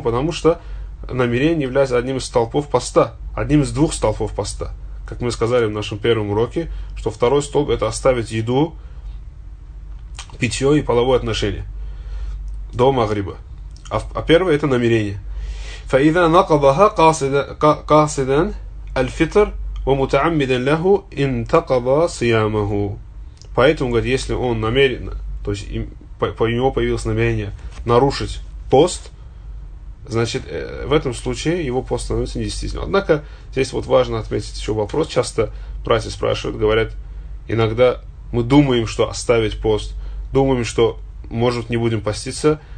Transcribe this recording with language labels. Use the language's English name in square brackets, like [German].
[Russian] Потому что намерение является одним из столпов поста. Одним из двух столпов поста. Как мы сказали в нашем первом уроке, что второй столб это оставить еду, питье и половое отношение до магриба. А первое это намерение. [Arabic] فإذا نقضها قاصدا الفطر ومتعمدا له انتقض صيامه. [Russian] Поэтому, говорит, если он намерен, то есть им, по него появилось намерение нарушить пост, значит, в этом случае его пост становится недействительным. Однако, здесь вот важно отметить еще вопрос. Часто братья спрашивают, говорят, иногда мы думаем, что оставить пост, думаем, что, может, не будем поститься.